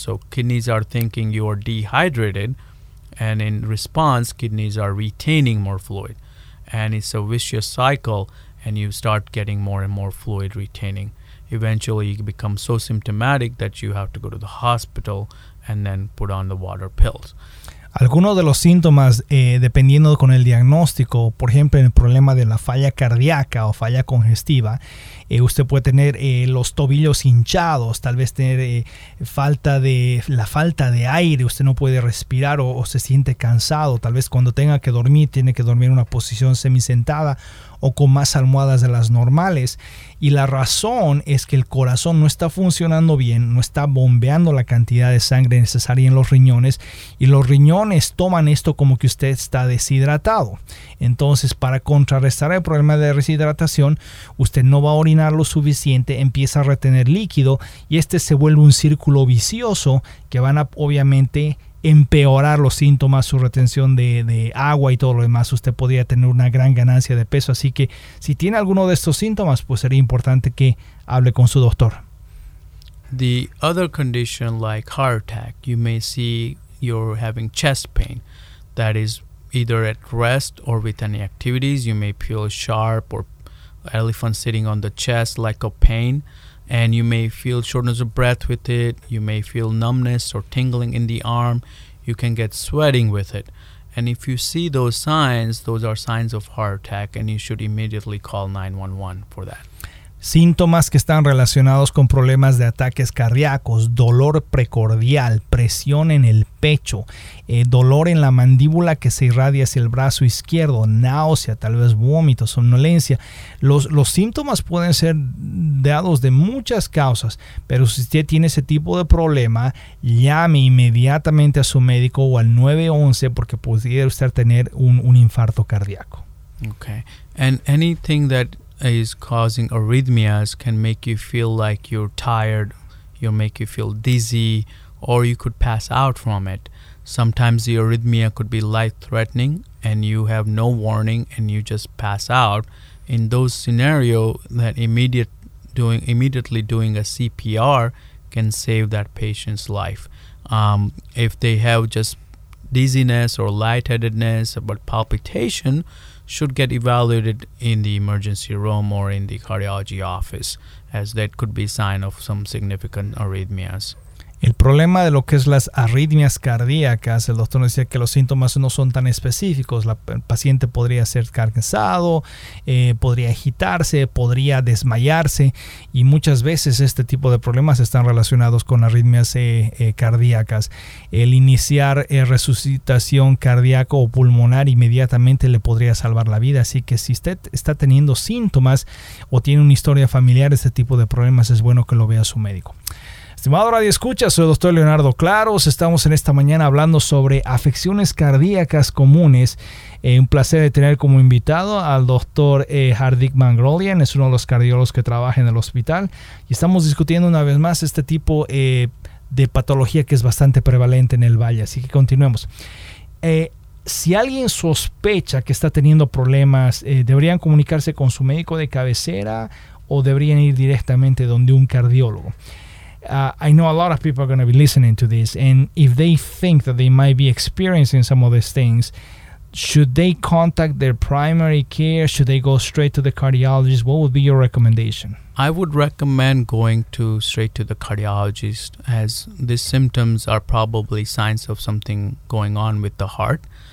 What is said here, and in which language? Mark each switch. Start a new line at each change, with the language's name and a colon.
English: So kidneys are thinking you are dehydrated, and in response, kidneys are retaining more fluid. And it's a vicious cycle, and you start getting more and more fluid retaining. Eventually, you become so symptomatic that you have to go to the hospital and then put on the water pills.
Spanish: Algunos de los síntomas, dependiendo con el diagnóstico, por ejemplo, en el problema de la falla cardíaca o falla congestiva, usted puede tener los tobillos hinchados, tal vez tener falta de aire, usted no puede respirar o se siente cansado, tal vez cuando tenga que dormir, tiene que dormir en una posición semisentada o con más almohadas de las normales. Y la razón es que el corazón no está funcionando bien, no está bombeando la cantidad de sangre necesaria en los riñones, y los riñones toman esto como que usted está deshidratado. Entonces, para contrarrestar el problema de deshidratación, usted no va a orinar lo suficiente, empieza a retener líquido, y este se vuelve un círculo vicioso que van a, obviamente, empeorar los síntomas, su retención de agua y todo lo demás. Usted podría tener una gran ganancia de peso. Así que si tiene alguno de estos síntomas, pues sería importante que hable con su doctor.
English: The other condition, like heart attack, you may see you're having chest pain. That is either at rest or with any activities. You may feel sharp or elephant sitting on the chest, like a pain. And you may feel shortness of breath with it. You may feel numbness or tingling in the arm. You can get sweating with it. And if you see those signs, those are signs of heart attack, and you should immediately call 911 for that. Síntomas que están relacionados con problemas de ataques cardíacos, dolor precordial, presión en el pecho, dolor en la mandíbula que se irradia hacia el brazo izquierdo, náusea, tal vez vómito, somnolencia. Los síntomas pueden ser dados de muchas causas, pero si usted tiene ese tipo de problema, llame inmediatamente a su médico o al 911, porque pudiera usted tener un infarto cardíaco. Okay. And anything that is causing arrhythmias can make you feel like you're tired, you'll make you feel dizzy, or you could pass out from it. Sometimes the arrhythmia could be life-threatening and you have no warning and you just pass out. In those scenario, that immediately doing a CPR can save that patient's life. If they have just dizziness or lightheadedness, but palpitation, should get evaluated in the emergency room or in the cardiology office, as that could be a sign of some significant arrhythmias.
Spanish: El problema de lo que es las arritmias cardíacas, el doctor nos decía que los síntomas no son tan específicos. El paciente podría ser cansado, podría agitarse, podría desmayarse, y muchas veces este tipo de problemas están relacionados con arritmias cardíacas. El iniciar resucitación cardíaca o pulmonar inmediatamente le podría salvar la vida. Así que si usted está teniendo síntomas o tiene una historia familiar de este tipo de problemas, es bueno que lo vea a su médico. Estimado Radio Escucha, soy el doctor Leonardo Claros. Estamos en esta mañana hablando sobre afecciones cardíacas comunes. Un placer de tener como invitado al doctor Hardik Mangrolian. Es uno de los cardiólogos que trabaja en el hospital. Y estamos discutiendo una vez más este tipo de patología que es bastante prevalente en el Valle. Así que continuemos. Si alguien sospecha que está teniendo problemas, ¿deberían comunicarse con su médico de cabecera o deberían ir directamente donde un cardiólogo?
English: I know a lot of people are going to be listening to this, and if they think that they might be experiencing some of these things, should they contact their primary care? Should they go straight to the cardiologist? What would be your recommendation? I would recommend going straight to the cardiologist, as these symptoms are probably signs of something going on with the heart.